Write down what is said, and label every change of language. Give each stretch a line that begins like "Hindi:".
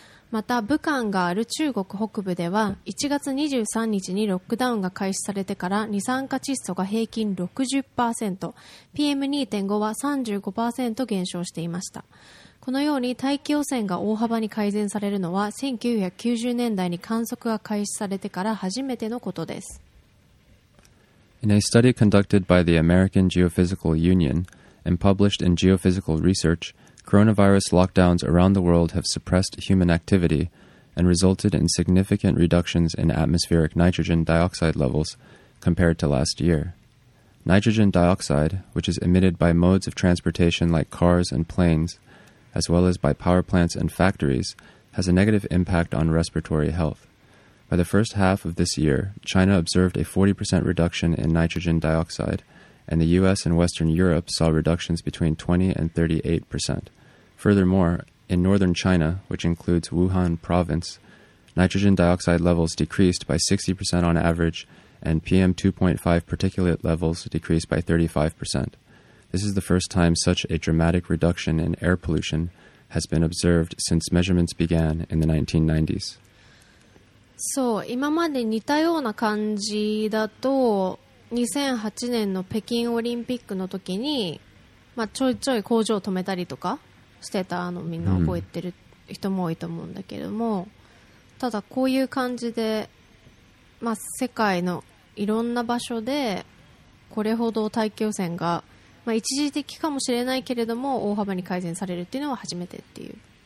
Japanese: また武漢がある中国北部では1月23日にロックダウンが開始されてから、二酸化窒素が平均 60%、 PM2.5 は 35% 減少していました。このように大気汚染が大幅に改善されるのは1990年代に観測が開始されてから初めてのことです。
English: In a study conducted by the American Geophysical Union and published in Geophysical Research, coronavirus lockdowns around the world have suppressed human activity and resulted in significant reductions in atmospheric nitrogen dioxide levels compared to last year. Nitrogen dioxide, which is emitted by modes of transportation like cars and planes, as well as by power plants and factories, has a negative impact on respiratory health. By the first half of this year, China observed a 40% reduction in nitrogen dioxide, and the U.S. and Western Europe saw reductions between 20 and 38%. Furthermore, in northern China, which includes Wuhan province, nitrogen dioxide levels decreased by 60% on average, and PM2.5 particulate levels decreased by 35%. This is the first time such a dramatic reduction in air pollution has been observed since measurements began in the 1990s.
Japanese: そう、今まで似たような感じだと2008年の北京オリンピックの時に、まあ、ちょいちょい工場を止めたりとかしてたのみんな覚えてる人も多いと思うんだけども、うん、ただこういう感じで、まあ、世界のいろんな場所でこれほど大気汚染が、まあ、一時的かもしれないけれども大幅に改善されるっていうのは初めてっていう。